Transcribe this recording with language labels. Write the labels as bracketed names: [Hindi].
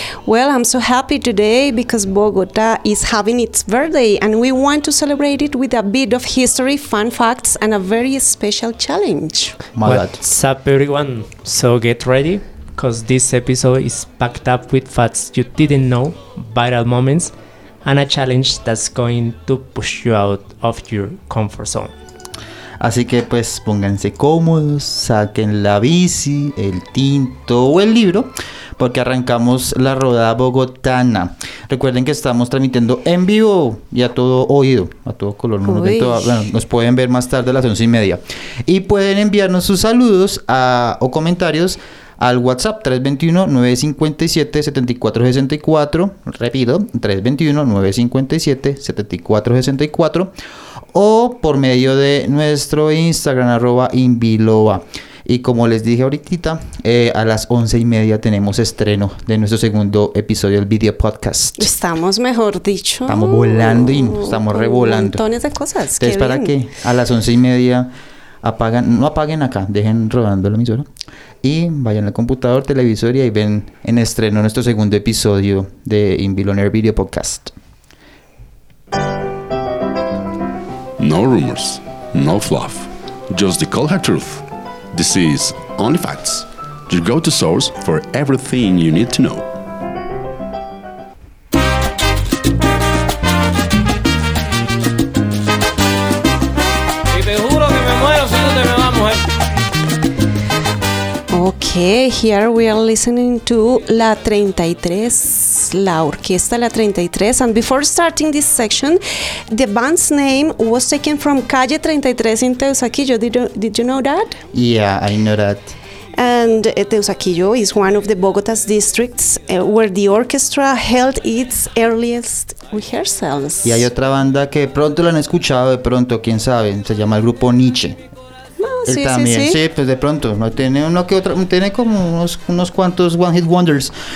[English] Well, I'm so happy today because Bogota is having its birthday and we want to celebrate it with a bit of history, fun facts and a very special challenge. What's up everyone? So get ready because this episode is packed up with facts you didn't know, viral moments and a challenge that's going to push you out of your comfort zone. [Spanish] Así que pues pónganse cómodos, saquen la bici, el tinto o el libro, porque arrancamos la rodada bogotana. Recuerden que estamos transmitiendo en vivo y a todo oído, a todo color. Bueno, nos pueden ver más tarde a las 11:30. Y pueden enviarnos sus saludos o comentarios al WhatsApp 321-957-7464. Repito, 321-957-7464. O por medio de nuestro Instagram, arroba Inviloa. Y como les dije ahorita, a las 11:30 tenemos estreno de nuestro segundo episodio del video podcast. Estamos, mejor dicho, estamos volando y estamos revolando. Montones de cosas. Entonces, ¿para qué? A las 11:30 apagan, no apaguen acá, dejen rodando la emisora. Y vayan al computador, televisor y ahí ven en estreno nuestro segundo episodio de Inviloner Video Podcast. [English] No rumors, no fluff, just the cold hard truth. This is Only Facts, your go-to source for everything you need to know. Okay, here we are listening to La 33, La Orquesta La 33. And before starting this section, the band's name was taken from Calle 33 in Teusaquillo. Did you know that? Yeah, I know that. And Teusaquillo is one of the Bogotá's districts where the orchestra held its earliest rehearsals. [Spanish] Y hay otra banda que pronto la han escuchado, de pronto, quién sabe, se llama el grupo Nietzsche. Él sí, también, sí, sí. Sí, pues de pronto tiene uno que otro, tiene como unos cuantos [English] one hit wonders,